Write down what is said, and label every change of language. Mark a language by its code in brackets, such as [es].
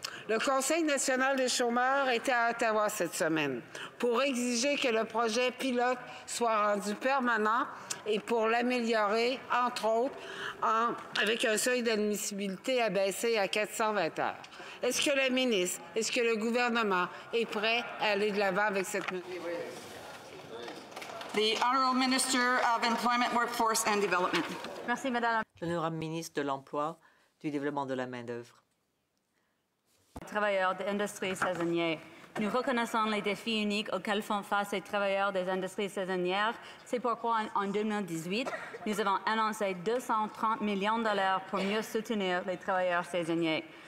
[fr] Le Conseil national des chômeurs était à Ottawa cette semaine pour exiger que le projet pilote soit rendu permanent et pour l'améliorer, entre autres, avec un seuil d'admissibilité abaissé à 420 heures. Est-ce que la ministre, est-ce que le gouvernement est prêt à aller de l'avant avec cette mesure? [en] The Honourable Minister of Employment, Workforce and Development. [fr] Merci, Madame. L'honorable ministre de l'Emploi, du Développement de la Main-d'œuvre. Les travailleurs des industries saisonnières. Nous reconnaissons les défis uniques auxquels font face les travailleurs des industries saisonnières. C'est pourquoi, en 2018, nous avons annoncé 230 millions de dollars pour mieux soutenir les travailleurs saisonniers.